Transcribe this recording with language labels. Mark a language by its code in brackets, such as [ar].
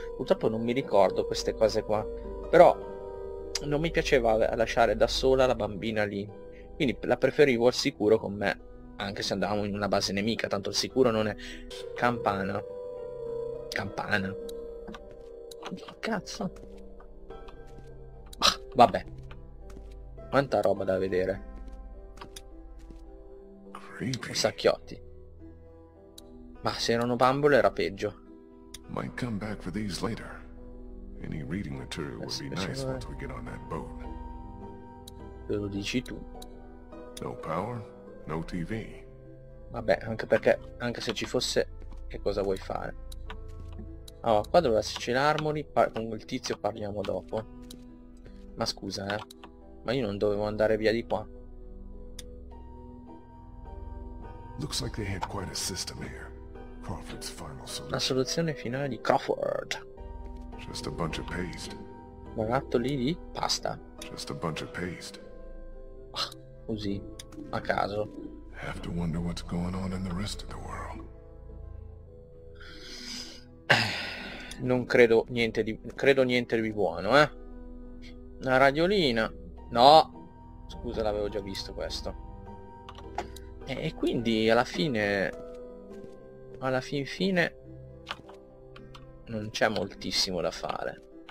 [it] Purtroppo non mi ricordo queste cose qua. Però non mi piaceva lasciare da sola la bambina lì, quindi la preferivo al sicuro con me, anche se andavamo in una base nemica, tanto al sicuro non è. Campana. Campana. Che cazzo? Vabbè, quanta roba da vedere. [en] Creepy. [it] Sacchiotti. Ma se erano bambole era peggio. [en] Might come back for these later. Any reading material would be nice once we get on that boat. [it] Te lo dici tu. [en] No power, no TV. [it] Vabbè, anche perché, anche se ci fosse, che cosa vuoi fare? Allora, qua dove c'è l'armory, con quel tizio parliamo dopo. Ma scusa, ma io non dovevo andare via di qua. [en] Looks like they had quite a system here. Crawford's final solution. [it] La soluzione finale di Crawford. [en] Just a bunch of paste. [it] Baratto lì di pasta. [en] Just a bunch of paste. [it] Così, a caso. [en] Have to wonder what's going on in the rest of the world. [it] Non credo niente di. Credo niente di buono, eh? Una radiolina. No, scusa, l'avevo già visto questo. E quindi alla fin fine non c'è moltissimo da fare.